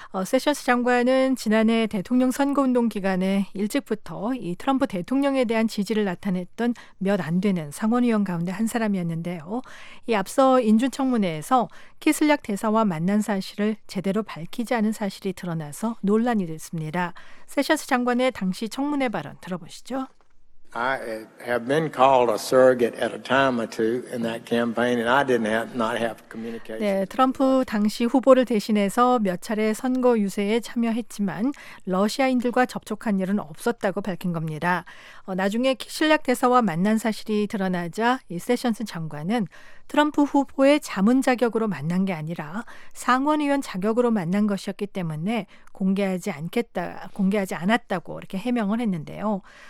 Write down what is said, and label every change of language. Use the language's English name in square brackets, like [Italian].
[Korean] 세션스 장관은 지난해 대통령 선거운동 기간에 일찍부터 이 트럼프 대통령에 대한 지지를 나타냈던 몇 안 되는 상원의원 가운데 한 사람이었는데요. 이 앞서 인준청문회에서 키슬약 대사와 만난 사실을 제대로 밝히지 않은 사실이 드러나서 논란이 됐습니다. 세션스 장관의 당시 청문회 발언 들어보시죠. [English] I have been called a surrogate at a time or two in that campaign, and I didn't have not have communication. [Korean] 네, 트럼프 당시 후보를 대신해서 몇 차례 선거 유세에 참여했지만 러시아인들과 접촉한 일은 없었다고 밝힌 겁니다. 나중에 키슬약 대사와 만난 사실이 드러나자 이 세션스 장관은 트럼프 후보의 자문 자격으로 만난 게 아니라 상원의원 자격으로 만난 것이었기 때문에 공개하지 않았다고 이렇게 해명을 했는데요.